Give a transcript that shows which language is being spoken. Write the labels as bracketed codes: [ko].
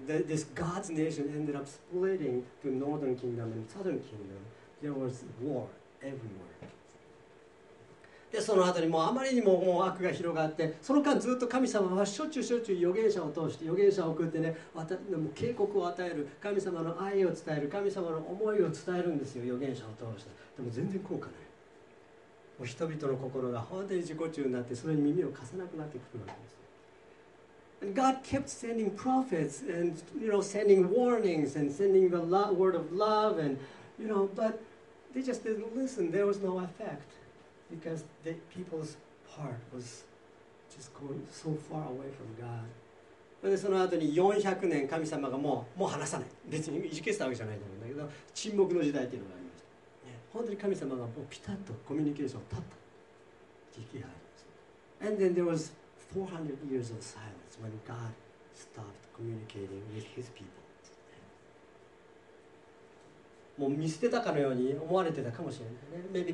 [en] This God's nation ended up splitting to northern kingdom and southern kingdom. There was war everywhere. [ja] で、その後にもうあまりにももう悪が広がって、その間ずっと神様はしょっちゅうしょっちゅう預言者を通して、預言者を送ってね、もう警告を与える、神様の愛を伝える、神様の思いを伝えるんですよ、預言者を通して。でも全然効果ない。もう人々の心が本当に自己中になって、それに耳を貸さなくなってくるわけです。 [en] And God kept sending prophets and, you know, sending warnings and sending the word of love and, you know, but they just didn't listen. There was no effect because the people's heart was just going so far away from God. [ja] And その後に400年神様がもう話さない。別にいじけてたわけじゃないと思うんだけど、沈黙の時代っていうのがありました。本当に神様がもうピタッとコミュニケーションを断った時期がありました。 [en] And then there was 400 years of silence. When God stopped communicating with His people, [ja] もう見捨てたかのように思われてたかもしれないね。